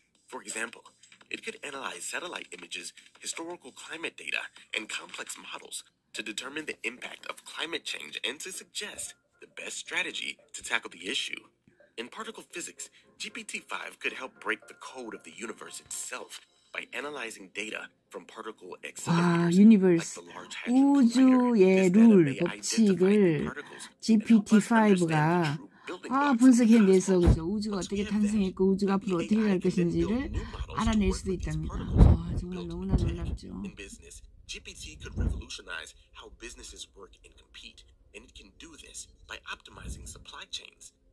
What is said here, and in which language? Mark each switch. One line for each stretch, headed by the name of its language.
English: For example, it could analyze satellite images, historical climate data and complex models to determine the impact of climate change and to suggest the best strategy to tackle the issue. In particle physics, GPT-5 could help break the code of the universe itself. By analyzing data from particle accelerators,
Korean: 와, 유니버스, 우주의 룰, 법칙을 GPT-5가 분석해내서 그죠? 우주가 어떻게 탄생했고 우주가 앞으로 어떻게 갈 것인지를 알아낼 수도 있답니다. 와, 정말 너무나 놀랍죠.
English: GPT could revolutionize how businesses work and compete, and it can do this by optimizing supply chains.